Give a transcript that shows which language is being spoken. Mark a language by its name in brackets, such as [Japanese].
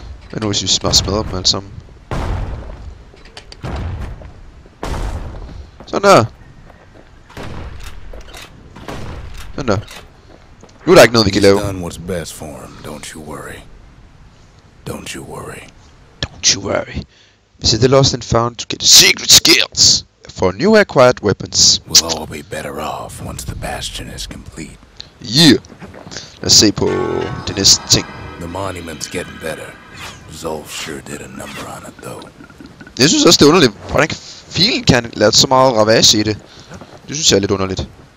[Danish] Hvad nu hvis vi bare smadrer dem alle sammen? Sådan der! Sådan der. Nu er der ikke noget vi kan lave. [English] He's done what's best for him, don't you worry. Don't you worry. Don't you worry. Vi sidder lost and found to get secret skills for new acquired weapons. We'll all be better off once the bastion is complete. Yeah! [Danish] Lad os se på det næste ting. [English] The monument's getting better. Zolf sure did a number on it, though. [Danish] Jeg synes også, det er underligt. Hvordan kan filen kan lade så meget ravage i det? Det synes jeg er lidt underligt.